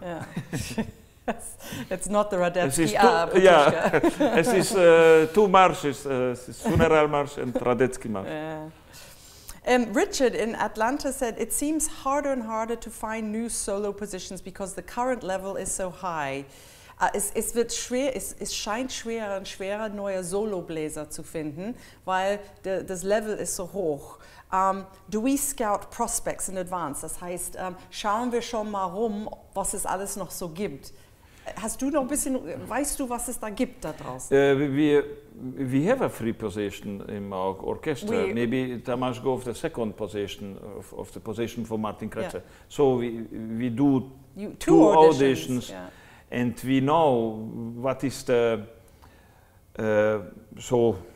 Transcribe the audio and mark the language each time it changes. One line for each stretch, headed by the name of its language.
English: Yeah. It's not the Radetzky. It is two marches, funeral march and Radetzky march. Yeah. Richard in Atlanta said, it seems harder and harder to find new solo positions because the current level is so high.
German: Es wird schwer, es scheint schwerer und schwerer, neue Solobläser zu finden, weil das Level ist so hoch.
English: Do we scout prospects in advance?
German: Das heißt, schauen wir schon mal rum, was es alles noch so gibt. Hast du noch ein bisschen, weißt du, was es da gibt da draußen?
English: We have a free position in our orchestra. Maybe Tamás go the second position of the position for Martin Kretzer. Yeah. So we do two auditions. Yeah. And we know what is the so